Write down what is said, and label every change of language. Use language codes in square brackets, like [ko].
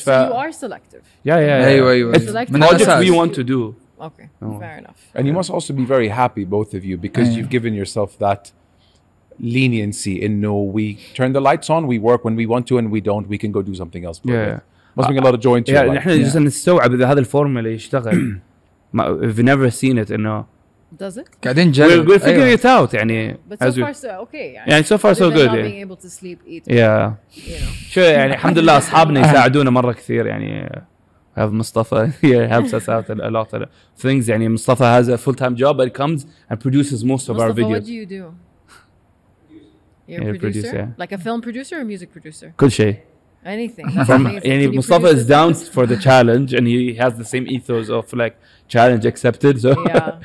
[en] فا. You are selective. Yeah. [ar] أيوة. [en] It's what you want to do. Okay. Fair enough. And you must also be very happy, both of you, because you've given yourself that leniency in no, we turn the lights on, we work when we want to, and we don't, we can go do something else. Yeah. Must bring a lot of joy into your life. [ar] Yeah. نحن جزء نستوعب إذا هذا الفورمولا يشتغل. [en] We've never seen it, إنه. Does it? [ar] قاعدين نجرب. [en] We'll figure it out. يعني. But so far so okay. يعني so far so good. Not being able to sleep, eat. Yeah. You know. [ar] شو يعني الحمد لله أصحابنا يساعدونا مرة كثير يعني. [en] Have Mustafa. Yeah, helps us out a lot of things. يعني Mustafa has a full-time job, but comes and produces most of our videos. Mustafa, what do you do? You're a producer. Yeah. Like a film producer or music producer. [ar] كل شيء. [en] Anything. يعني Mustafa is down for the challenge, and he has the same ethos of like. challenge accepted. So yeah.